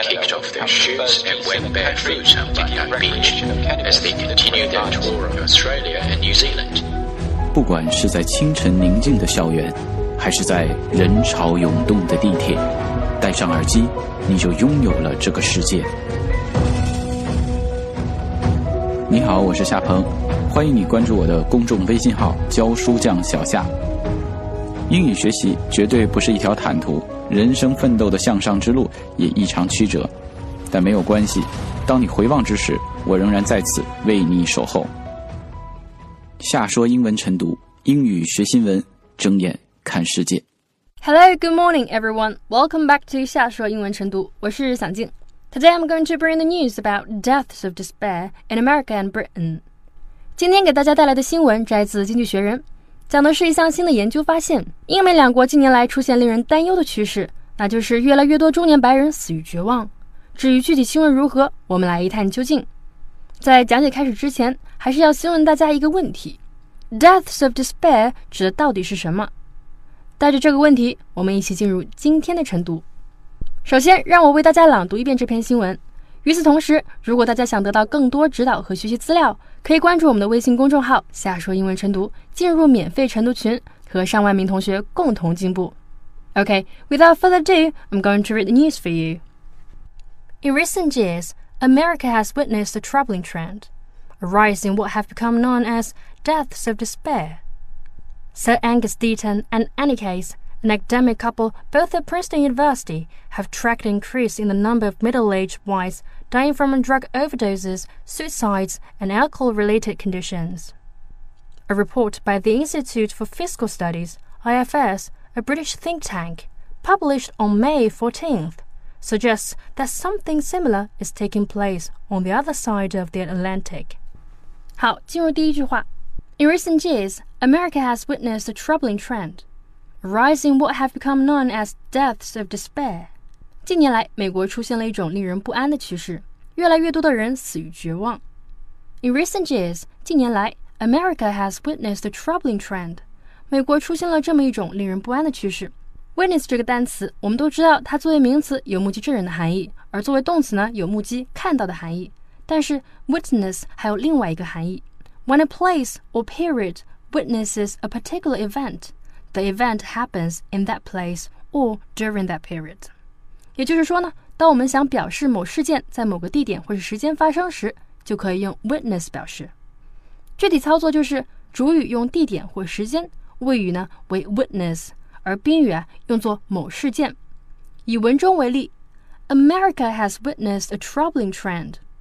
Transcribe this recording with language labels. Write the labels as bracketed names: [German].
[English] kicked off their shoes and went barefoot on the beach as they continued their tour of Australia and New Zealand. [Chinese] 不管是在清晨宁静的校园，还是在人潮涌动的地铁，戴上耳机，你就拥有了这个世界。你好，我是夏鹏，欢迎你关注我的公众微信号教书匠小夏。英语学习绝对不是一条坦途，人生奋斗的向上之路也异常曲折，但没有关系，当你回望之时，我仍然在此为你守候。夏说英文晨读，英语学新闻，睁眼看世界。 [English] Hello, good morning everyone. Welcome back to [Chinese] 夏说英文晨读，我是响静。 [English] Today I'm going to bring the news about deaths of despair in America and Britain. [Chinese] 今天给大家带来的新闻摘自《经济学人》，讲的是一项新的研究发现，英美两国近年来出现令人担忧的趋势，那就是越来越多中年白人死于绝望。至于具体新闻如何，我们来一探究竟。在讲解开始之前，还是要先问大家一个问题， [English] Deaths of despair [Chinese] 指的到底是什么？带着这个问题，我们一起进入今天的晨读。首先，让我为大家朗读一遍这篇新闻。与此同时，如果大家想得到更多指导和学习资料，可以关注我们的微信公众号“瞎说英文晨读”，进入免费晨读群，和上万名同学共同进步。 [English] Okay, without further ado, I'm going to read the news for you. In recent years, America has witnessed a troubling trend, a rise in what have become known as deaths of despair. Sir Angus Deaton and Annie Case,An academic couple, both at Princeton University, have tracked an increase in the number of middle-aged whites dying from drug overdoses, suicides, and alcohol-related conditions. A report by the Institute for Fiscal Studies, IFS, a British think tank, published on May 14th, suggests that something similar is taking place on the other side of the Atlantic. [Chinese] 好，进入第一句话。 [English] In recent years, America has witnessed a troubling trend. Rising what have become known as deaths of despair. [Chinese] 近年来，美国出现了一种令人不安的趋势，越来越多的人死于绝望。 [English] In recent years, [Chinese] 近年来 [English] ,America has witnessed a troubling trend. [Chinese] 美国出现了这么一种令人不安的趋势。Witness 这个单词，我们都知道它作为名词有目击证人的含义，而作为动词呢，有目击看到的含义。但是 witness 还有另外一个含义。 [English] When a place or period witnesses a particular event,The event happens in that place or during that period. [Chinese] 也就是说呢，当我们想表示某事件在某个地点或是时间发生时，就可以用 witness 表示。具体操作就是主语用地点或时间，谓语呢为 witness， 而宾语啊用作某事件。以文中为例 [English] ，America has witnessed a troubling trend.